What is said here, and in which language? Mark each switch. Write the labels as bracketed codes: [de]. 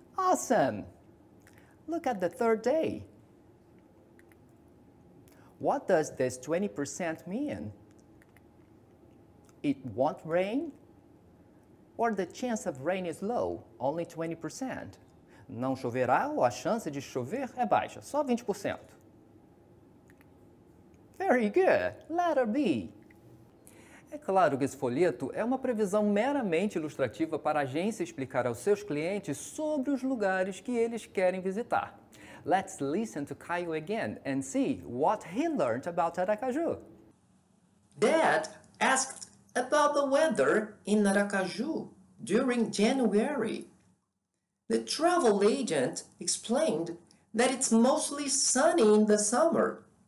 [en] Awesome. Look at the third day. What does this 20% mean? It won't rain? Or the chance of rain is low, only 20%? [pt] Não choverá ou a chance de chover é baixa, só 20%. [en] Very good. Letter B. [pt] É claro que esse folheto é uma previsão meramente ilustrativa para a agência explicar aos seus clientes sobre os lugares que eles querem visitar. [en] Let's listen to Caio again and see what he learned about Aracaju. Dad asked about the weather in Aracaju during January. The travel agent explained that it's mostly sunny in the summer.